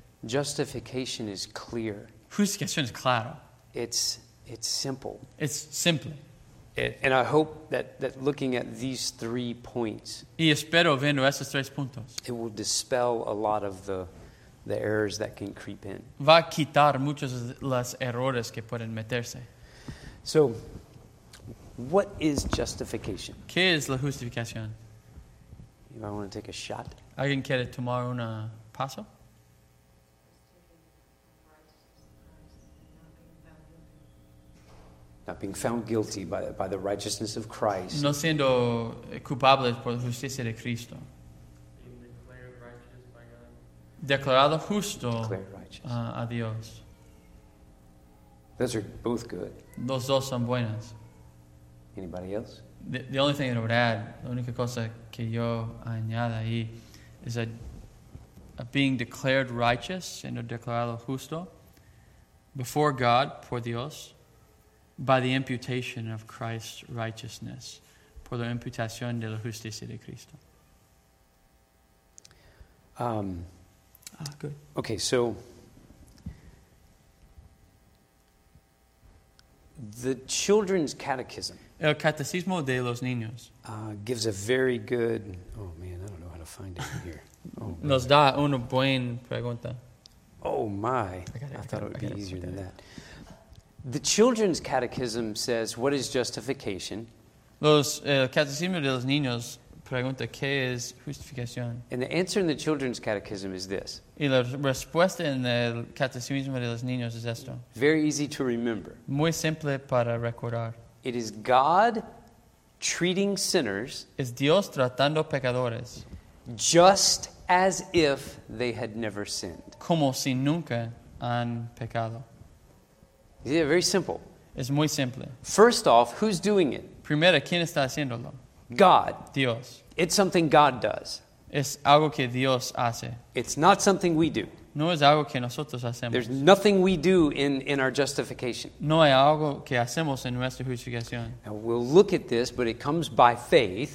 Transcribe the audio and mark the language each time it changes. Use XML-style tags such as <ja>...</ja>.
<en>Justification is clear.</en> <es>Justificación es clara.</es> <en>It's simple. It's simple. And I hope that looking at these three points.</en> <es>Y espero viendo estos tres puntos.</es> <en>It will dispel a lot of the errors that can creep in.</en> <es>Va a quitar muchos los errores que pueden meterse.</es> <en>So, what is justification?</en> <es>¿Qué es la justificación?</es> <en>You might want to take a shot.</en> <es>¿Alguien quiere tomar una paso?</es> <en>Not being found guilty by the righteousness of Christ.</en> <es>No siendo culpables por la justicia de Cristo. Declarado justo a Dios.</es> <en>Those are both good.</en> <es>Los dos son buenas.</es> <en>Anybody else? The only thing that I would add,</en> <es>la única cosa que yo añado ahí,</es> <en>is that being declared righteous,</en> <es>siendo declarado justo,</es> <en>before God,</en> <es>por Dios,</es> <en>by the imputation of Christ's righteousness,</en> <es>por la imputación de la justicia de Cristo.</es> <en>Good. Okay, so the Children's Catechism.</en> <es>El Catecismo de los Niños.</es> <en>Gives a very good. Oh man, I don't know how to find it in here. Oh,</en> <es>nos da una buena pregunta.</es> <en>Oh my! I thought it would be easier than that. The Children's Catechism says, "What is justification?"</en> <es>El Catecismo de los Niños pregunta qué es justificación.</es> <en>And the answer in the Children's Catechism is this.</en> <es>Y la respuesta en el Catecismo de los Niños es esto.</es> <en>Very easy to remember.</en> <es>Muy simple para recordar.</es> <en>It is God treating sinners.</en> <es>Es Dios tratando pecadores.</es> <en>Just as if they had never sinned.</en> <es>Como si nunca han pecado.</es> <en>Yeah, very simple.</en> <es>Es muy simple.</es> <en>First off, who's doing it?</en> <es>Primero, ¿quién está haciéndolo?</es> <en>God.</en> <es>Dios.</es> <en>It's something God does.</en> <es>Es algo que Dios hace.</es> <en>It's not something we do.</en> <es>No es algo que nosotros hacemos.</es> <en>There's nothing we do in our justification.</en> <es>No hay algo que hacemos en nuestra justificación.</es> <en>Now we'll look at this, but it comes by faith.</en>